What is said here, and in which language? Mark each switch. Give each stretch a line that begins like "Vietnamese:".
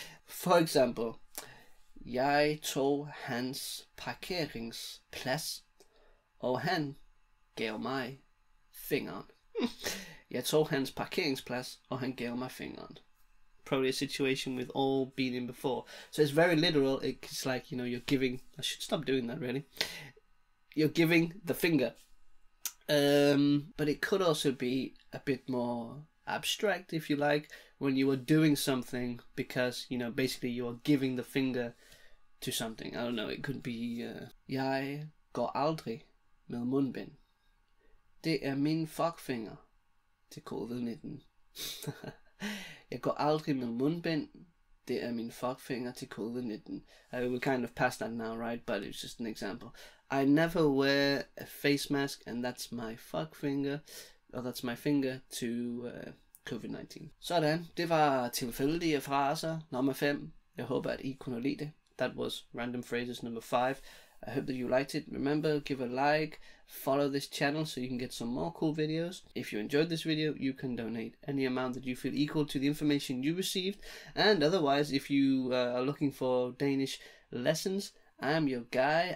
English: For example,
Danish: jeg tog hans parkeringsplads, og han gav mig fingeren. Jeg tog hans parkeringsplads, og han gav mig fingeren.
English: Probably a situation we've all been in before. So it's very literal. It's like, you know, you're giving... I should stop doing that, really. You're giving the finger. But it could also be a bit more abstract, if you like, when you are doing something because, you know, basically you are giving the finger to something. I don't know, it could be...
Danish: Jeg går aldrig med mundbind. Det min fuckfinger til COVID-19. Jeg går aldrig med mundbind. Det min fuckfinger til COVID-19.
English: We kind of passed that now, right? But it's just an example. I never wear a face mask, and that's my fuck finger, or that's my finger to COVID-19.
Danish: Sådan, det var tilfældige fraser nummer 5. Jeg håber, at I kunne lide det.
English: That was random phrases number 5. I hope that you liked it. Remember, give a like, follow this channel so you can get some more cool videos. If you enjoyed this video, you can donate any amount that you feel equal to the information you received. And otherwise, if you are looking for Danish lessons, I'm your guy.